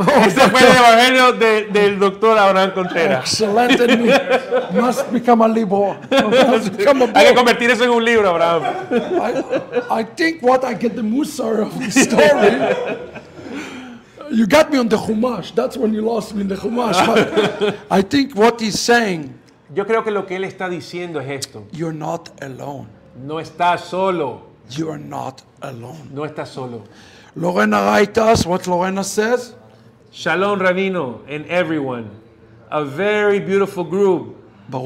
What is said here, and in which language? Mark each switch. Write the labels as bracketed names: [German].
[Spanish] Este fue el evangelio del doctor Abraham Contreras. [English] Excellent. Must become a libro. [Spanish] Hay que convertir eso en un libro, Abraham. [English] I think what I get the mussar of the story. You got me on the Humash. That's when you lost me in the Humash. But I think what he's saying. [Spanish] Yo creo que lo que él está diciendo es esto. [English] You're not alone. [Spanish] No estás solo. [English] You're not alone. [Spanish] No estás solo. [English] Lorena Raitas, what Lorena says? Shalom, Rabino, and everyone. A very beautiful group. Baruch.